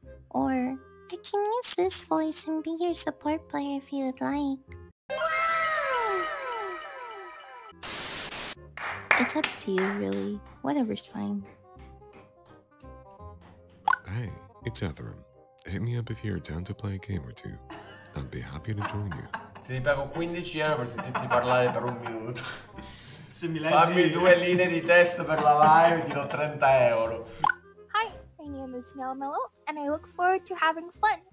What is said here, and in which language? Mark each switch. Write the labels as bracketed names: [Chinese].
[English] Or I can use this voice and be your support player if you would like. It's up to you, really. Whatever's fine. Hey, it's Etherum. Hit me up if you're down to play a game or two. I'd be happy to join you. [Italian] Ti pago 15 euro per sentirti parlare per un minuto. Se mi Fammi leggi. due linee di testo per la live, ti do 30 euro. [English] Hi, my name is Melo, and I look forward to having fun.